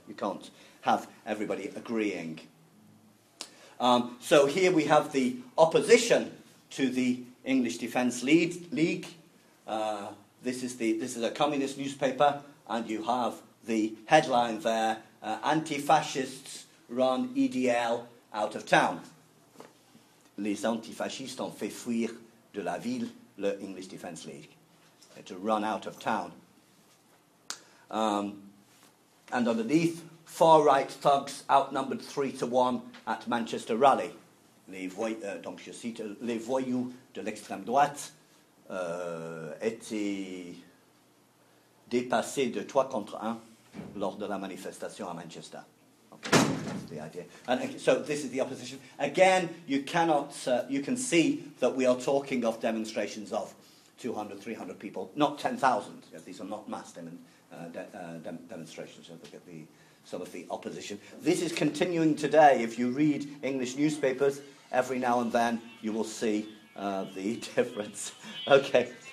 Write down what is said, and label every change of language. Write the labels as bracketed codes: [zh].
[en] You can't have everybody agreeing. So here we have the opposition to the English Defence League. This is a communist newspaper, and you have the headline there, anti-fascists run EDL out of town. [fr] Les antifascistes ont fait fuir de la ville le English Defence League. [en] To run out of town. And underneath, far-right thugs outnumbered 3-1 at Manchester rally. [fr] Les voyous de l'extrême droite étaient dépassés de 3-1 lors de la manifestation à Manchester. [en] Okay. The idea. And so this is the opposition. Again, you cannot, you can see that we are talking of demonstrations of 200, 300 people, not 10,000. Yeah, these are not mass demonstrations. Look at some of the opposition. This is continuing today. If you read English newspapers, every now and then you will see the difference. Okay.